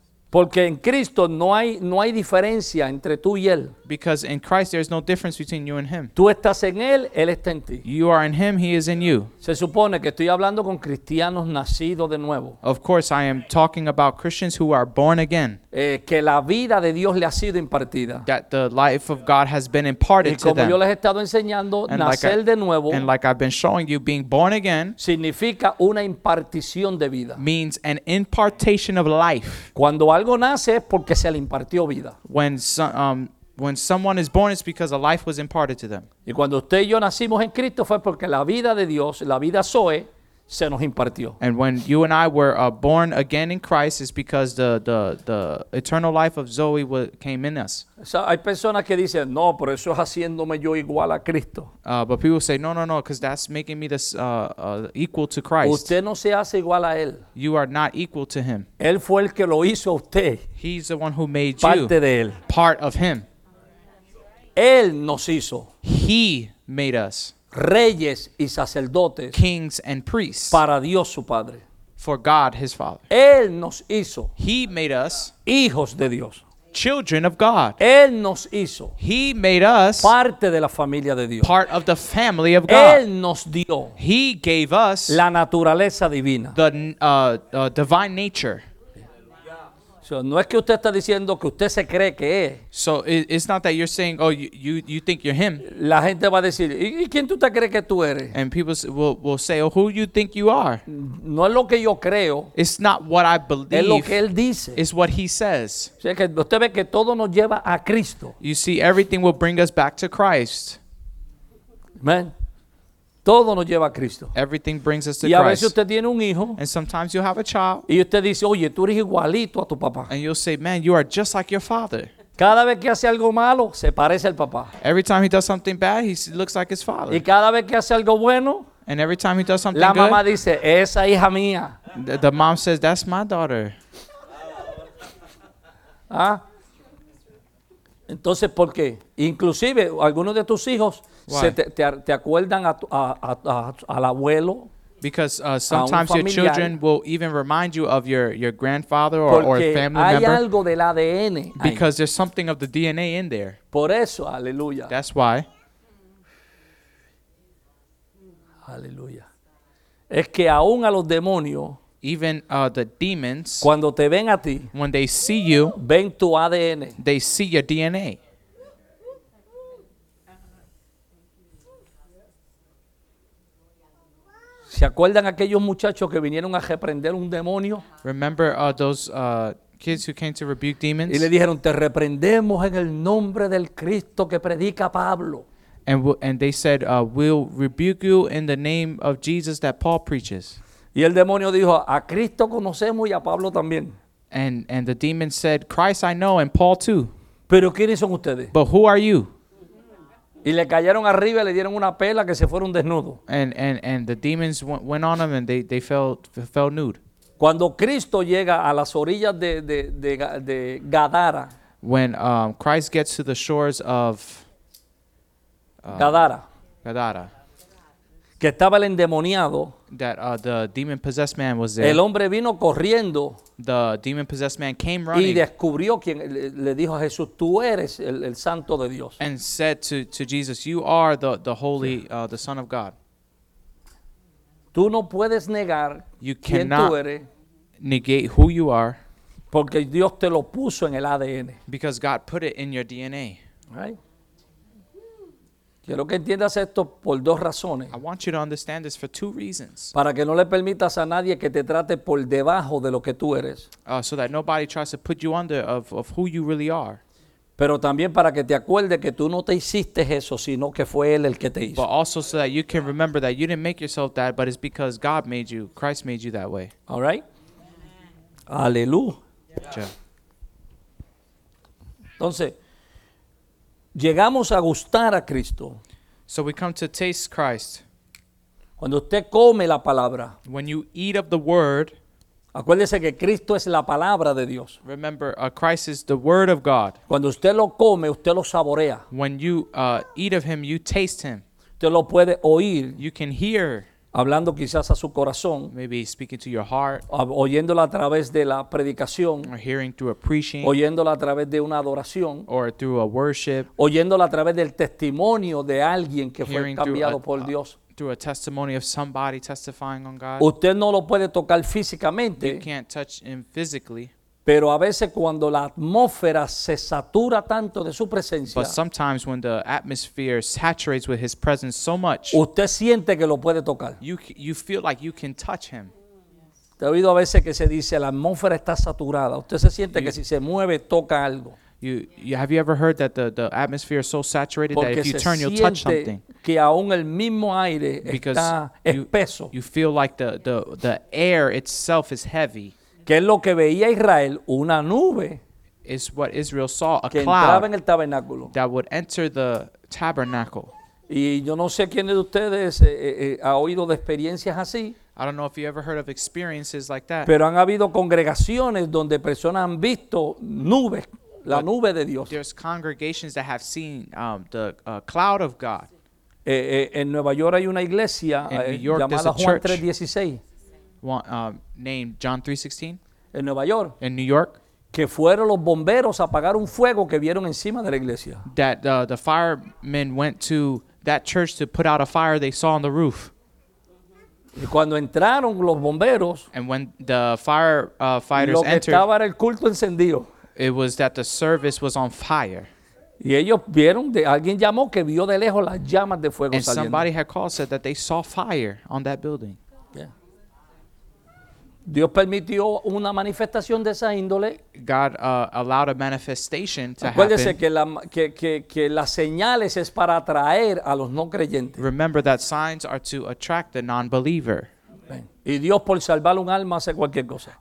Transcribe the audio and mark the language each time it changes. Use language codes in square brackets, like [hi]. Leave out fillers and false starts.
[es] Porque en Cristo no hay diferencia entre tú y él. [en] Because in Christ there is no difference between you and him. [es] Tú estás en él, él está en ti. [en] You are in him, he is in you. [es] Se supone que estoy hablando con cristianos nacidos de nuevo. [en] Of course I am talking about Christians who are born again. [es] Que la vida de Dios le ha sido impartida. [en] That the life of God has been imparted to them. [es] Y como yo les he estado enseñando, nacer de nuevo. [en] And like I've been showing you, being born again. [es] Significa una impartición de vida. [en] Means an impartation of life. [es] Cuando algo nace es porque se le impartió vida. [en] When someone is born, it's because a life was imparted to them. [es] Y cuando usted y yo nacimos en Cristo fue porque la vida de Dios, la vida Zoe, se nos impartió. [en] And when you and I were born again in Christ, it's because the eternal life of Zoe came in us. [es] So, hay personas que dicen, no, por eso es haciéndome yo igual a Cristo. [en] But people say, no, because that's making me equal to Christ. [es] Usted no se hace igual a él. [en] You are not equal to him. [es] Él fue el que lo hizo a usted. [en] He's the one who made [es] parte [en] you. [es] Parte de él. [en] Part of him. [es] Él nos hizo. [en] He made us. [es] Reyes y sacerdotes. [en] Kings and priests. [es] Para Dios su Padre. [en] For God his Father. [es] Él nos hizo. [en] He made us. [es] Hijos de Dios. [en] Children of God. [es] Él nos hizo. [en] He made us. [es] Parte de la familia de Dios. [en] Part of the family of God. [es] Él nos dio. [en] He gave us. [es] La naturaleza divina. [en] The divine nature. [es] So, no es que usted está diciendo que usted se cree que es. [en] So it's not that you're saying, you think you're him. [es] La gente va a decir, ¿y quién tú te crees que tú eres? [en] And people will say, who you think you are? [es] No es lo que yo creo. [en] It's not what I believe. [es] Es lo que él dice. [en] It's what he says. [es] O sea, que usted ve que todo nos lleva a Cristo. [en] You see, everything will bring us back to Christ. [es] Amen. Todo nos lleva a Cristo. [en] Everything brings us to Christ. [es] Y a veces usted tiene un hijo. [en] And sometimes you have a child. [es] Y usted dice, oye, tú eres igualito a tu papá. [en] And you'll say, man, you are just like your father. [es] Cada vez que hace algo malo, se parece al papá. [en] Every time he does something bad, he looks like his father. [es] Y cada vez que hace algo bueno, [en] and every time he does something good, [es] la mamá dice, esa hija mía. [en] The mom says, that's my daughter. [es] ¿Ah? Entonces, ¿por qué? Inclusive, algunos de tus hijos. [en] Why? [es] Te acuerdan al abuelo. [en] Because sometimes your children will even remind you of your grandfather or family [es] hay [en] member. [es] Algo del ADN [en] because There's something of the DNA in there. [es] Por eso, aleluya. [en] That's why. [es] Aleluya. Es que aún a los demonios. [en] Even the demons. [es] Cuando te ven a ti. [en] When they see you. [es] Ven tu ADN. [en] They see your DNA. [es] ¿Se acuerdan aquellos muchachos que vinieron a reprender un demonio? [en] Remember those kids who came to rebuke demons? [es] Y le dijeron, te reprendemos en el nombre del Cristo que predica Pablo. [en] And they said, we'll rebuke you in the name of Jesus that Paul preaches. [es] Y el demonio dijo, a Cristo conocemos y a Pablo también. [en] And the demon said, Christ I know and Paul too. [es] ¿Pero quiénes son ustedes? [en] But who are you? [es] Y le cayeron arriba y le dieron una pela que se fueron desnudos. [en] And the demons went on them and they fell nude. [es] Cuando Cristo llega a las orillas de Gadara. [en] When Christ gets to the shores of [es] Gadara. Que estaba el endemoniado. [en] That the demon possessed man was there. [es] El hombre vino corriendo. [en] The demon possessed man came running. [es] Y descubrió quien le dijo a Jesús, tú eres el santo de Dios. [en] And said to Jesus, you are the holy, the son of God. [es] Tú no puedes negar quién tú eres. [en] Negate who you are. [es] Porque Dios te lo puso en el ADN. [en] Because God put it in your DNA. [es] Right? Quiero que entiendas esto por dos razones. [en] I want you to understand this for two reasons. [es] Para que no le permitas a nadie que te trate por debajo de lo que tú eres. [en] So that nobody tries to put you under of who you really are. [es] Pero también para que te acuerdes que tú no te hiciste eso, sino que fue él el que te hizo. [en] But also so that you can remember that you didn't make yourself that, but it's because God made you, Christ made you that way. All right? Aleluya. Yeah. [es] Entonces, llegamos a gustar a Cristo. [en] So we come to taste Christ. [es] Cuando usted come la palabra. [en] When you eat of the word. [es] Acuérdese que Cristo es la palabra de Dios. [en] Remember, Christ is the word of God. [es] Cuando usted lo come, usted lo saborea. [en] When you eat of him, you taste him. [es] Usted lo puede oír. [en] You can hear. [es] Hablando quizás a su corazón. [en] Maybe speaking to your heart. [es] Oyéndola a través de la predicación. [en] Or hearing through a preaching. [es] Oyéndola a través de una adoración. [en] Or through a worship. [es] Oyéndola a través del testimonio de alguien que fue cambiado por Dios. [en] Through a testimony of somebody testifying on God. [es] Usted no lo puede tocar físicamente. [en] You can't touch him physically. [es] Pero a veces cuando la atmósfera se satura tanto de su presencia. [en] But sometimes when the atmosphere saturates with his presence so much. [es] Usted siente que lo puede tocar. [en] You feel like you can touch him. [es] Te he oído a veces que se dice la atmósfera está saturada. Usted se siente que si se mueve toca algo. [en] Have you ever heard that the atmosphere is so saturated [es] porque [en] that if you turn you'll touch something? [es] Que aún el mismo aire [en] because [es] está espeso. [en] You feel like the air itself is heavy. [es] ¿Qué es lo que veía Israel? Una nube. [en] Is what Israel saw, a [es] que [en] cloud [es] entraba en el tabernáculo. [en] That would enter the tabernacle. [es] Y yo no sé quiénes de ustedes ha oído de experiencias así. [en] I don't know if you ever heard of experiences like that. [es] Pero han habido congregaciones donde personas han visto nubes, la [en] but [es] nube de Dios. [en] There's congregations that have seen cloud of God. [es] En Nueva York hay una iglesia llamada Juan 3:16. [en] Named John 3:16. [es] En Nueva York. [en] In New York. [es] Que fueron los bomberos a apagar un fuego que vieron encima de la iglesia. [en] That the firemen went to that church to put out a fire they saw on the roof. [es] Y cuando entraron los bomberos. [en] And when the firefighters entered. [es] Lo que estaba era el culto encendido. [en] It was that the service was on fire. [es] Y ellos vieron, alguien llamó que vio de lejos las llamas de fuego saliendo. [en] And somebody had called, said that they saw fire on that building. [es] Dios permitió una manifestación de esa índole. [en] God allowed a manifestation to happen. [es] Acuérdese que las señales es para atraer a los no creyentes. [en] Remember that signs are to attract the non-believer. [es] Y Dios por salvar un alma hace cualquier cosa.